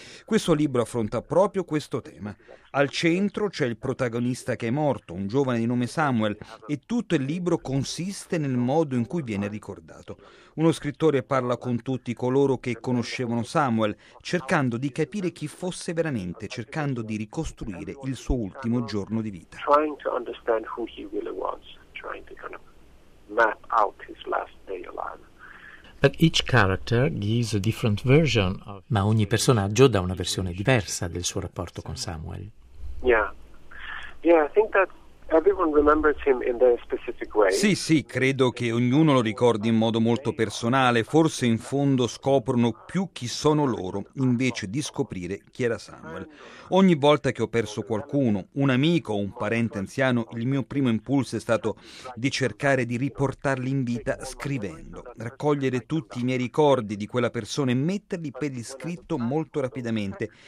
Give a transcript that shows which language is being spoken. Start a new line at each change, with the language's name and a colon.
Italian: Questo libro affronta proprio questo tema. Al centro c'è il protagonista che è morto, un giovane di nome Samuel, e tutto il libro consiste nel modo in cui viene ricordato. Uno scrittore parla con tutti coloro che conoscevano Samuel, cercando di capire chi fosse veramente, cercando di ricostruire il suo ultimo giorno di vita.
English: Trying to understand who he really was, trying to kind of map out his last day alive. But each character gives a different version of...
Italian: Ma ogni personaggio dà una versione diversa del suo rapporto con Samuel.
English: Yeah, I think that everyone remembers him in their specific way.
Italian: Sì, credo che ognuno lo ricordi in modo molto personale. Forse in fondo scoprono più chi sono loro invece di scoprire chi era Samuel. Ogni volta che ho perso qualcuno, un amico o un parente anziano, il mio primo impulso è stato di cercare di riportarli in vita scrivendo, raccogliere tutti i miei ricordi di quella persona e metterli per iscritto molto rapidamente.